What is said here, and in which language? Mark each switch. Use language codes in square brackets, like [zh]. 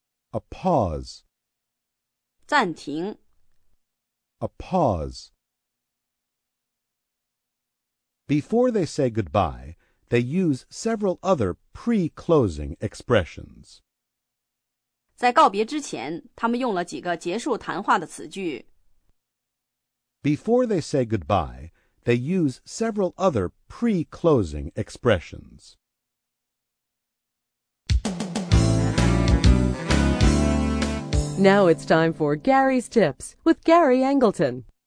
[en] A pause. [zh] 暂停。 [en] A pause. Before they say goodbye, they use several other pre-closing expressions. [zh] 在告别之前，他们用了几个结束谈话的词句。 [en] Before they say goodbye, they use several other pre-closing expressions. Now it's time for Gary's Tips with Gary Angleton.